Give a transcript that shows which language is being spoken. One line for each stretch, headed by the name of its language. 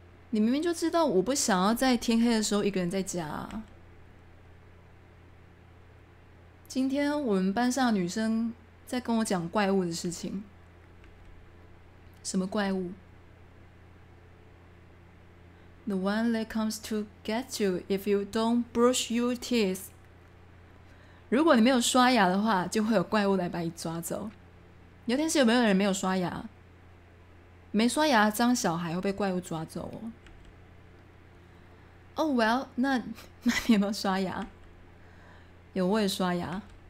Chinese: 你明明就知道我不想要在天黑的时候一个人在家。今天我们班上的女生在跟我讲怪物的事情。什么怪物？
English: The one that comes to get you if you don't brush your teeth.
Chinese: 如果你没有刷牙的话，就会有怪物来把你抓走。聊天室有没有人没有刷牙？没刷牙脏小孩会被怪物抓走哦。
English: Oh well,
Chinese: 那你有没有刷牙？有，我也刷牙。